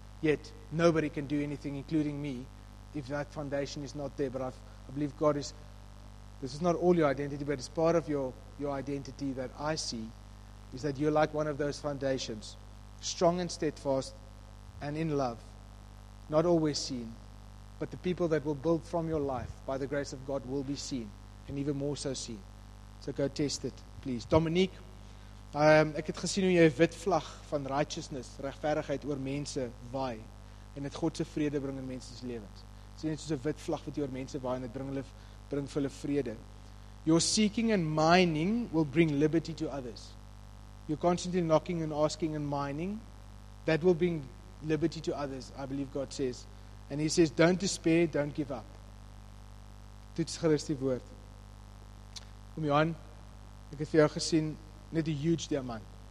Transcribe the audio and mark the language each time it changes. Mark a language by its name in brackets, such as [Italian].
[English] Yet, nobody can do anything, including me, if that foundation is not there. But I believe God is, this is not all your identity, but it's part of your identity that I see, is that you're like one of those foundations, strong and steadfast and in love, not always seen, but the people that will build from your life by the grace of God will be seen, and even more so seen. So go test it, please. [Afrikaans] Dominique, ek het gesien hoe jy 'n wit vlag van righteousness, regverdigheid oor mense waai, en dit God se vrede bring in mense se lewens. Sien jy soos 'n wit vlag wat jy oor mense waai en dit bring vir hulle vrede. [English] Your seeking and mining will bring liberty to others. You're constantly knocking and asking and mining, that will bring liberty to others, I believe God says. And he says, don't despair, don't give up. [Afrikaans] Toets gerus die woord. Kom Johan, ek het vir jou gesien, net 'n huge diamant.